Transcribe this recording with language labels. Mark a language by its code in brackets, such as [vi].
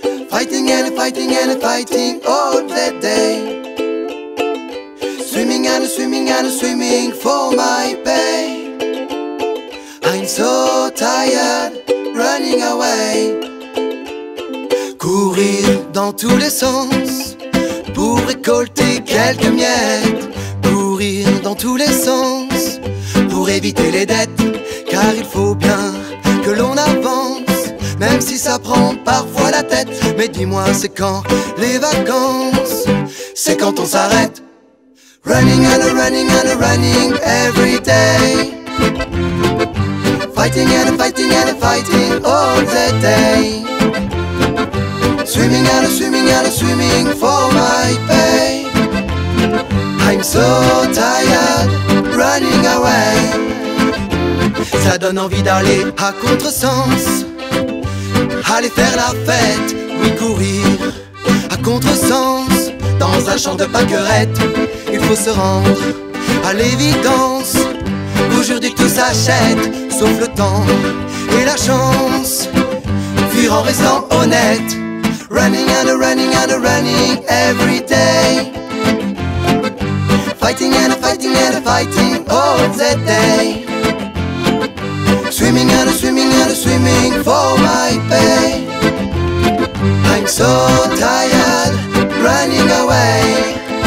[en] Fighting and fighting and fighting all the day. Swimming and swimming and swimming for my pay. I'm so tired running away. [fr] Courir dans tous les sens pour récolter quelques miettes. Courir dans tous les sens pour éviter les dettes. Car il faut bien que l'on avance, même si ça prend parfois la tête. Mais dis-moi, c'est quand les vacances? C'est quand on s'arrête. [en] Running and running and running every day. Fighting and fighting and fighting all the day. Swimming and swimming and swimming for my pay. I'm so tired running away. [fr] Ça donne envie d'aller à contresens, aller faire la fête. Oui, courir à contresens dans un champ de pâquerettes. Il faut se rendre à l'évidence. Aujourd'hui tout s'achète, sauf le temps et la chance. Fuir en restant honnête. [en] Running and running and running every day. Fighting and fighting and fighting all the day. Swimming and swimming and swimming for my pay. I'm so tired running away.